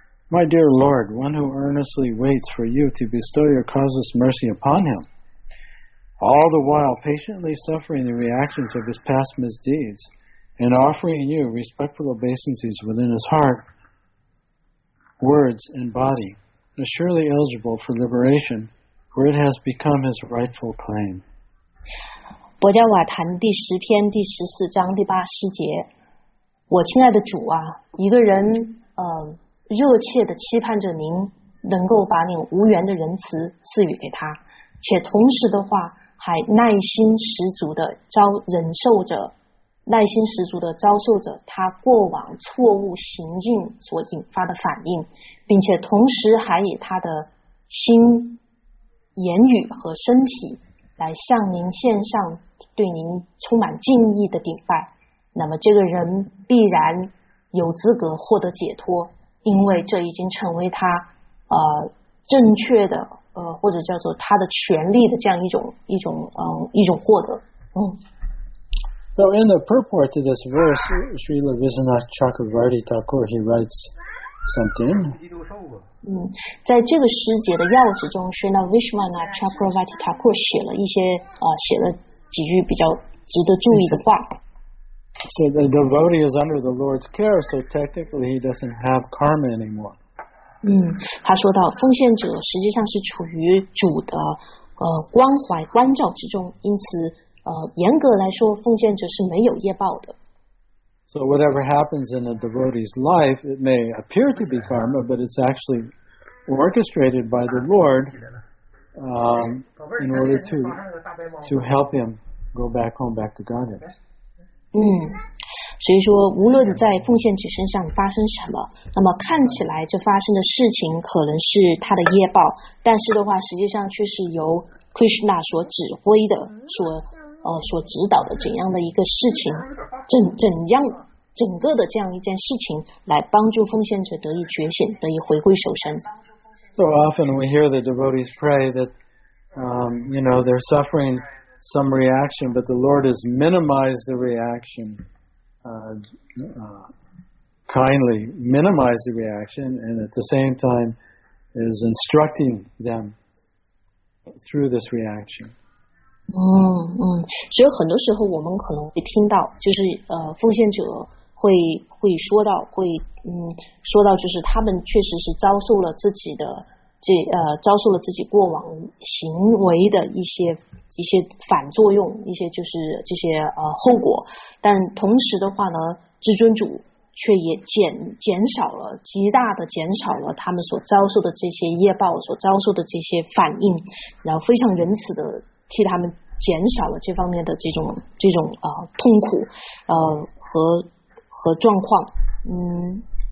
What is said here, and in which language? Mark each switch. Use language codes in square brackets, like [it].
[en] My dear Lord, one who earnestly waits for you to bestow your causeless mercy upon him, all the while patiently suffering the reactions of his past misdeeds and offering you respectful obeisances within his heart, words, and body, is surely eligible for liberation, for it has become his rightful claim. [zh] 博加瓦坛第十篇第十四章第八十节，我亲爱的主啊，一个人热切地期盼着您能够把您无缘的仁慈赐予给他，且同时的话还耐心十足地忍受着他过往错误行径所引发的反应，并且同时还以他的心、言语和身体来向您献上对您充满敬意的顶拜，那么这个人必然有资格获得解脱，因为这已经成为他正确的或者叫做他的权利的这样一种获得。 [en] So in the purport to this verse, Srila Viswanath Chakravarti Thakur, he writes something. [zh] 在这个诗节的要旨中， Srila Viswanath Chakravarti Thakur 写了几句比较值得注意的话。 [en] So the devotee is under the Lord's care, so technically he doesn't have karma anymore. [zh] 他说到奉献者实际上是处于主的关怀关照之中，因此严格来说奉献者是没有业报的。 [en] So whatever happens in a devotee's life, it may appear to be karma, but it's actually orchestrated by the Lord in order to help him go back to Godhead. [zh] 所以说无论在奉献者身上发生什么，那么看起来这发生的事情可能是他的业报，但是的话实际上却是由 Krishna 所指挥的，所指导的怎样的一个事情，整个的这样一件事情来帮助奉献者得以觉醒，得以回归受身。 [en] So often we hear the devotees pray that, you know, they're suffering some reaction, but the Lord has minimized the reaction, kindly minimized the reaction, and at the same time is instructing them through this reaction. [zh] 所以很多时候我们可能会听到，就是奉献者会说到就是他们确实是遭受了自己的遭受了自己过往行为的一些反作用，一些就是这些后果，但同时的话呢，至尊主却也极大的减少了他们所遭受的这些业报，所遭受的这些反应，然后非常仁慈的替他们减少了这方面的这种痛苦和状况。